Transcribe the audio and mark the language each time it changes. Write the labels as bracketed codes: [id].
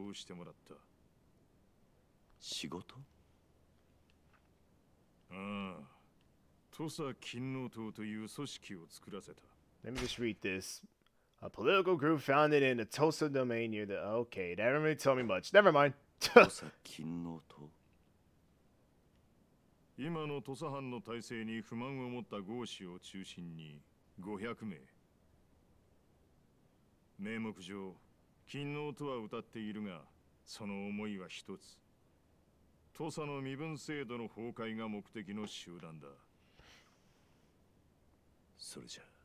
[ja] まだだ。お前が留守にしている間、あいつには重大な仕事をしてもらった。仕事?ああ、トサ勤王党という組織を作らせた。 [en] Let me just read this. A political group founded in the Tosa domain near the... Okay, that didn't really tell me much. Never mind. [ja] トサ勤王党。今のトサ藩の体制に不満を持った豪士を中心に500名。名目上、勤王とは謳っているが、その思いは一つ。トサの身分制度の崩壊が目的の集団だ。それじゃ。